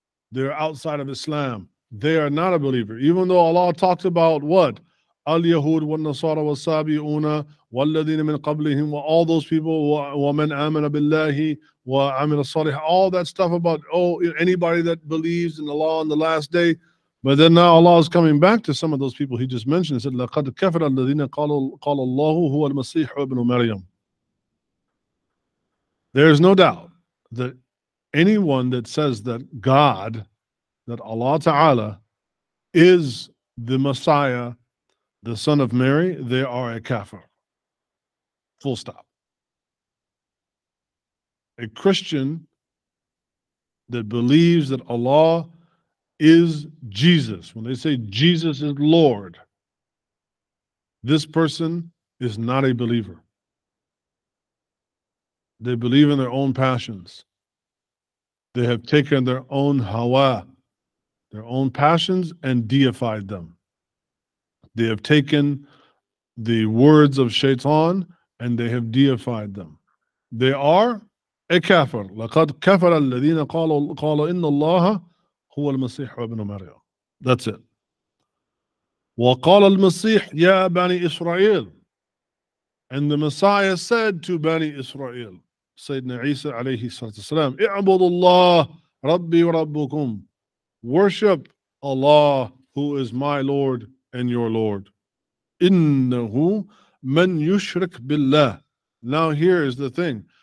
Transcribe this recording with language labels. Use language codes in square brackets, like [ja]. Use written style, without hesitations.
[en] They're outside of Islam. They are not a believer. Even though Allah talks about what? [ar] الْيَهُودِ وَالنَّصَارَ وَالسَّابِئُونَ وَالَّذِينَ مِنْ قَبْلِهِمْ, [en] all those people, [ar] وَمَنْ آمَنَ بِاللَّهِ وَعَمِلَ الصَّالِحَ, [en] all that stuff about, oh, anybody that believes in Allah on the last day. But then now Allah is coming back to some of those people he just mentioned. He said, [ar] لَقَدْ كَفَرَ الَّذِينَ قَالَ اللَّهُ هُوَ الْمَسِيحُ وَابْنُ مَرْيَمُ. [en] There is no doubt that anyone that says that God, that Allah Ta'ala, is the Messiah, the son of Mary, they are a kafir. Full stop. A Christian that believes that Allah is Jesus, when they say Jesus is Lord, this person is not a believer. They believe in their own passions. They have taken their own hawa, their own passions, and deified them. They have taken the words of shaitan and they have deified them. They are a kafir. [ar] لَقَدْ كَفَرَ الَّذِينَ قَالَ إِنَّ اللَّهَ هو المسيح ابن مريم. [en] That's it. [ar] وقال المسيح يا بني إسرائيل. [en] And the Messiah said to Bani Israel, Sayyidina Isa عليه الصلاة والسلام, [ar] اعبدوا الله ربي وربكم. [en] Worship Allah, who is my Lord and your Lord. [ar] إنه من يشرك بالله. [en] Now here is the thing.